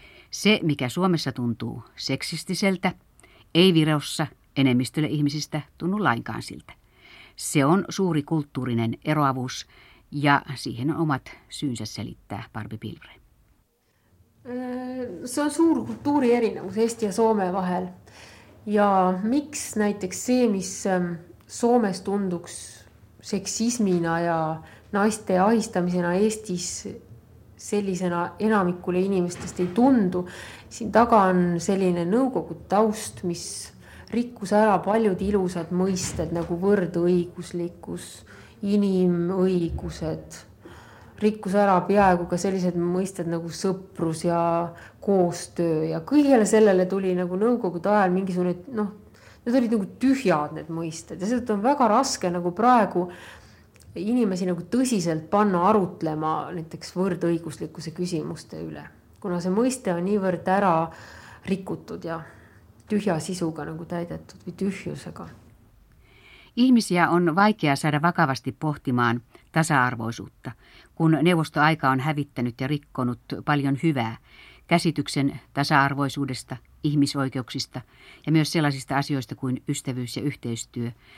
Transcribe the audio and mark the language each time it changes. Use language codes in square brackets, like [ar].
[fi] Se, mikä Suomessa tuntuu seksistiseltä, ei Virossa enemmistölle ihmisistä tunnu lainkaan siltä. Se on suuri kulttuurinen eroavuus ja siihen omat syynsä selittää Barbi Pilvre. [et] Se on suuri kulttuurierinomus Eesti ja Suomea vahel. Ja miks näiteks see, mis Soomes tunduks seksismina ja naiste ahistamisena Eestis sellisena enamikule inimestest ei tundu, siin taga on selline nõukogu taust, mis rikkus ära paljud ilusad mõisted nagu võrdõiguslikus, inimõigused, rikkus ära peaaegu ka sellised mõisted nagu sõprus ja koostöö ja kõigele sellele tuli nagu nõukogude ajal mingisugune, noh, need olid nagu tühjad need mõisted ja seda on väga raske nagu praegu inimesi nagu tõsiselt panna arutlema näiteks võrdõiguslikkuse küsimuste üle, kuna see mõiste on niivõrd ära rikutud ja tühja sisuga nagu täidetud või tühjusega. [fi] Ihmisiä on vaikea saada vakavasti pohtimaan tasa-arvoisuutta, kun neuvostoaika on hävittänyt ja rikkonut paljon hyvää käsityksen tasa-arvoisuudesta, ihmisoikeuksista ja myös sellaisista asioista kuin ystävyys ja yhteistyö.